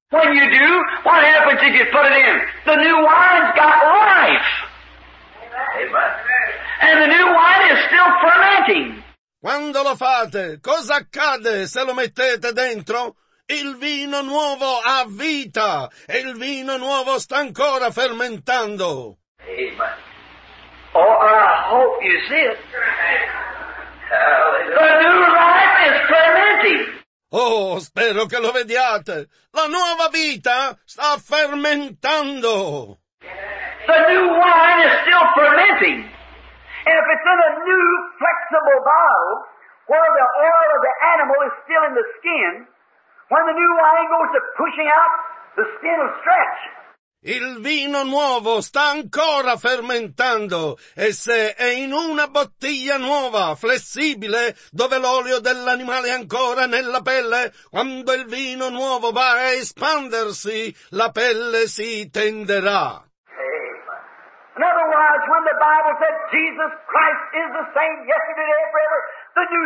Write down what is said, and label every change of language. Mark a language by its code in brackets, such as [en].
[en] When you do, what happens if you put it in? The new wine's got life. Amen. And the new wine is still fermenting. [it] Quando lo fate, cosa accade se lo mettete dentro? Il vino nuovo ha vita, e il vino nuovo sta ancora fermentando. [en] Amen. Oh, I hope you see it. Hallelujah. The new life is fermenting. [it] Oh, spero che lo vediate. La nuova vita sta fermentando. [en] The new wine is still fermenting. And if it's in a new flexible bottle, where the oil of the animal is still in the skin, when the new wine goes to pushing out, the skin will stretch. [it] Il vino nuovo sta ancora fermentando, e se è in una bottiglia nuova, flessibile, dove l'olio dell'animale è ancora nella pelle, quando il vino nuovo va a espandersi, la pelle si tenderà. [en] Amen. In other words, when the Bible said Jesus Christ is the same yesterday and forever, the